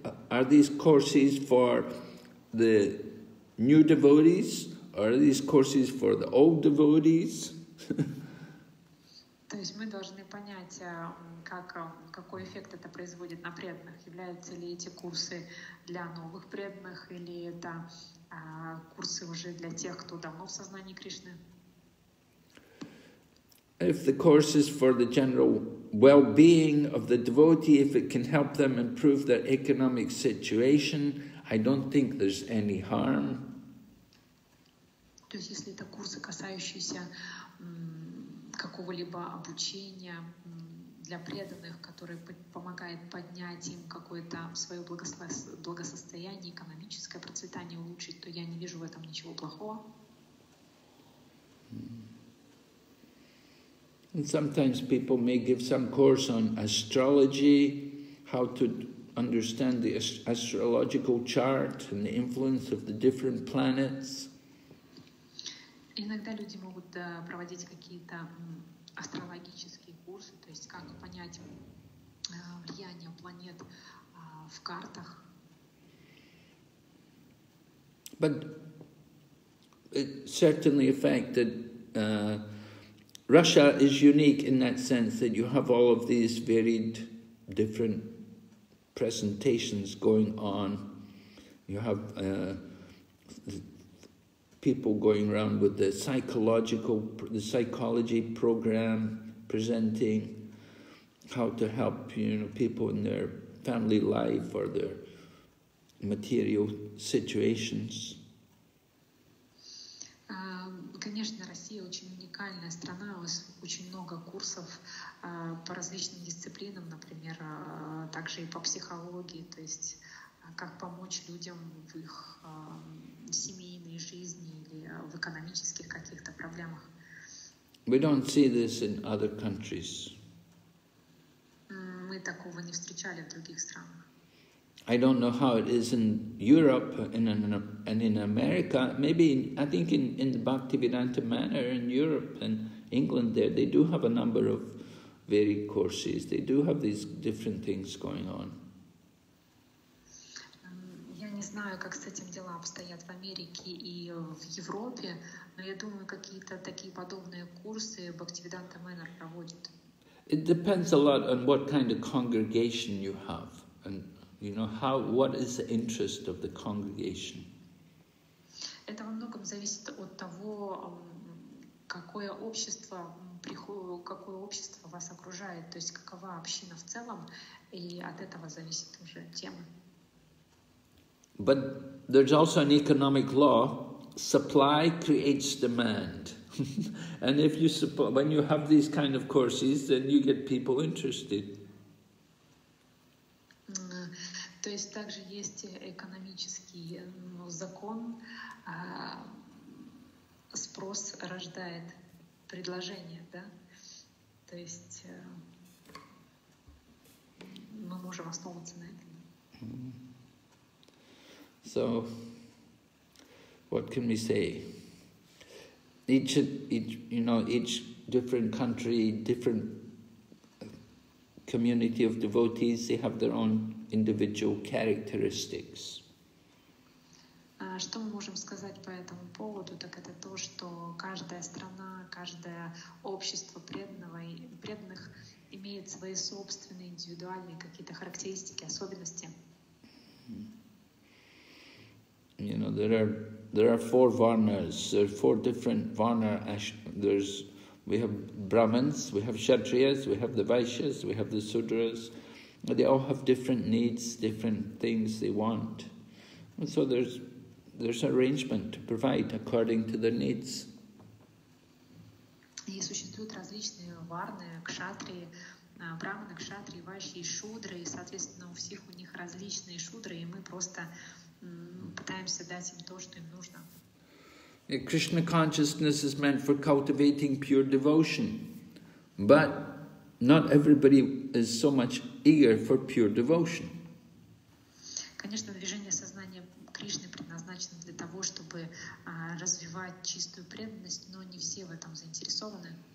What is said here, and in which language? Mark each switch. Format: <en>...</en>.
<en>Are these courses for the new devotees, or are these courses for the old devotees?</en> <ru>То есть мы должны понять, какой эффект это производит на преданных. Являются ли эти курсы для новых преданных, или это курсы уже для тех, кто давно в сознании Кришны?</ru> <en>If the course is for the general well-being of the devotee, if it can help them improve their economic situation, I don't think there's any harm.</en> <ru>То есть если это курсы, касающиеся какого-либо обучения для преданных, которые помогают поднять им какое-то свое благосостояние, экономическое процветание улучшить, то я не вижу в этом ничего плохого.</ru> <en>And sometimes people may give some course on astrology, how to understand the astrological chart and the influence of the different planets.</en> <ru>Иногда люди могут проводить какие-то астрологические курсы, то есть как понять влияние планет в картах.</ru> <en>But it certainly affected Russia is unique in that sense that you have all of these varied different presentations going on. You have people going around with the psychology program presenting how to help, you know, people in their family life or their material situations.</en> <ru>Конечно, Россия очень уникальная страна, у вас очень много курсов по различным дисциплинам, например, также и по психологии, то есть как помочь людям в их семейной жизни или в экономических каких-то проблемах.</ru> <en>We don't see this in other countries.</en> <ru>Мы такого не встречали в других странах.</ru> <en>I don't know how it is in Europe and in America. Maybe I think in the Bhaktivedanta manner in Europe and England, there they do have a number of varied courses. They do have these different things going on.</en> <ru>Я не знаю, как с этим дела обстоят в Америке и в Европе, но я думаю, какие-то такие подобные курсы Bhaktivedanta manner проводят.</ru> <en>It depends a lot on what kind of congregation you have and. You know, what is the interest of the congregation?</en> <ru>Это во многом зависит от того, какое общество вас окружает, то есть какова община в целом, и от этого зависит уже тема.</ru> <en>But there's also an economic law: supply creates demand. And if you supply, when you have these kind of courses, then you get people interested.</en> <ru>То есть также есть экономический закон, спрос рождает предложение, да? То есть мы можем основываться на этом.</ru> <en>So, what can we say? Each you know, each different country, different community of devotees, they have their own individual characteristics.</en> <ru>Что мы можем сказать по этому поводу, так это то, что каждая страна, каждое общество преданных имеет свои собственные индивидуальные какие-то характеристики, особенности.</ru> <en>You know, there are four varnas, there are four different varna. There's, we have Brahmins, we have Kshatriyas, we have the Vaishyas, we have the Sudras. They all have different needs, different things they want. And so there's arrangement to provide according to their needs.</en> <ru>И существуют различные варны, кшатрии, брахманы, кшатрии, ващи, шудры, и, соответственно, у всех у них различные шудры, и мы просто пытаемся дать им то, что им нужно.</ru> <en>Krishna consciousness is meant for cultivating pure devotion, but not everybody is so much eager for pure devotion.</en> <ru>Конечно, движение сознания Кришны предназначено для того, чтобы развивать чистую преданность, но не все в этом заинтересованы.</ru>